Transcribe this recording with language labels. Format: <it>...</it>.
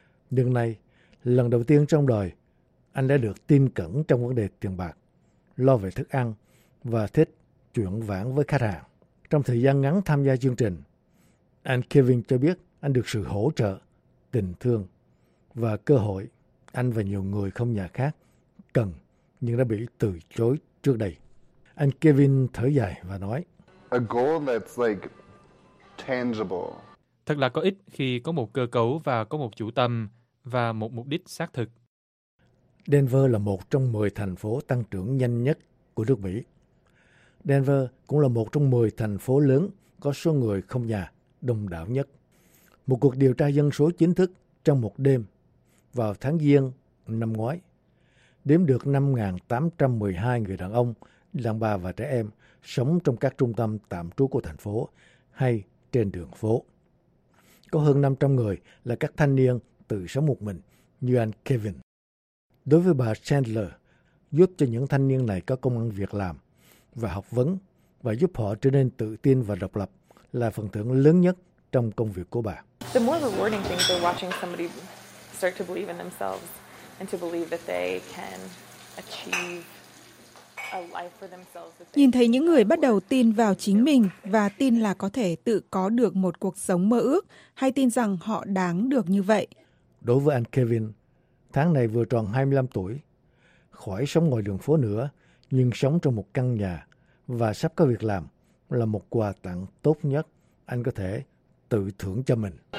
<vi>Nhưng nay, lần đầu tiên trong đời, anh đã được tin cẩn trong vấn đề tiền bạc, lo về thức ăn và thích chuyện vãn với khách hàng. Trong thời gian ngắn tham gia chương trình, anh Kevin cho biết anh được sự hỗ trợ tình thương và cơ hội anh và nhiều người không nhà khác cần nhưng đã bị từ chối trước đây. Anh Kevin thở dài và nói:</vi> <en>A goal that's like tangible.</en> <vi>Thật là có ích khi có một cơ cấu và có một chủ tâm và một mục đích xác thực. Denver là một trong 10 thành phố tăng trưởng nhanh nhất của nước Mỹ. Denver cũng là một trong 10 thành phố lớn có số người không nhà đông đảo nhất. Một cuộc điều tra dân số chính thức trong một đêm vào tháng Giêng năm ngoái đếm được 5.812 người đàn ông, đàn bà và trẻ em sống trong các trung tâm tạm trú của thành phố hay trên đường phố. Có hơn 500 người là các thanh niên tự sống một mình như anh Kevin. Đối với bà Chandler, giúp cho những thanh niên này có công ăn việc làm và học vấn và giúp họ trở nên tự tin và độc lập là phần thưởng lớn nhất trong công việc của bà.</vi> <en>The more rewarding things are watching somebody start to believe in themselves and to believe that they can achieve a life for themselves.</en> <vi>Nhìn thấy những người bắt đầu tin vào chính mình và tin là có thể tự có được một cuộc sống mơ ước hay tin rằng họ đáng được như vậy. Đối với anh Kevin, tháng này vừa tròn 25 tuổi, khỏi sống ngoài đường phố nữa, nhưng sống trong một căn nhà và sắp có việc làm là một quà tặng tốt nhất anh có thể tự thưởng cho mình.</vi>